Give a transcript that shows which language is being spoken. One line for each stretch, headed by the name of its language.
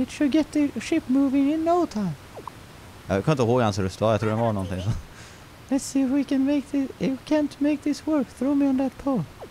English: It should get the ship moving in no time.
Swedish: Jag kan inte ihåg hans röst, jag tror det var någonting.
English: Let's see if we can make this... If we can't make this work, throw me on that pole.